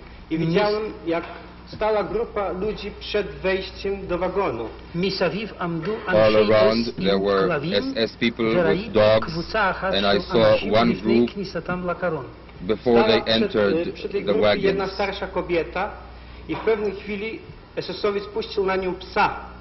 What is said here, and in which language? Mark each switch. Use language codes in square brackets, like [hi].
[pl] I widziałem, jak stała grupa ludzi przed wejściem do wagonu. [en] All around there were SS people with dogs, and I saw one group before they entered the wagon. [pl] Jedna starsza kobieta i w pewnej chwili SS-owiec puścił na nią psa.